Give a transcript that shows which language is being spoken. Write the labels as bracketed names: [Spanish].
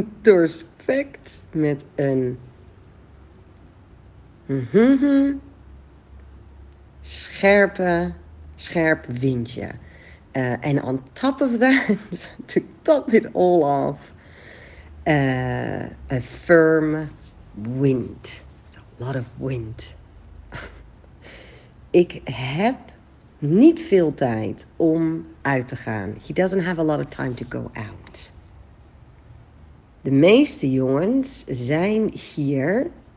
[Dutch] Door spekt met een scherp windje. [English] And on top of that, to top it all off, a firm wind. So a lot of wind. [Dutch] Ik heb niet veel tijd om uit te gaan. [English] He doesn't have a lot of time to go out. [Dutch] De meeste jongens zijn hier.